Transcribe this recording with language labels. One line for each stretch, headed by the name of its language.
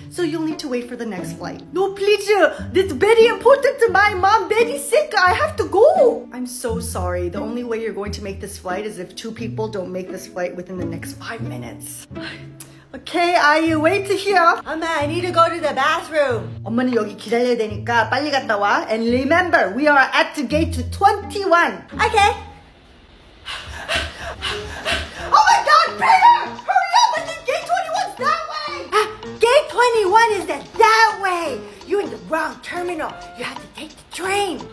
English: So you'll need to wait for the next flight. No, please. This is very important to my mom. Very sick. I have to go. I'm so sorry. The only way you're going to make this flight is if 2 people don't make this flight within the next 5 minutes. Okay, are you waiting here? Mama, I need to go to the bathroom.
Korean: 엄마는 여기 기다려야 되니까 빨리 갔다 와.
English: And remember, we are at the gate to 21. Okay. Oh my God, Peter! Hurry up! I think gate 21's that way! Gate 21 is that way! You're in the wrong terminal. You have to take the train.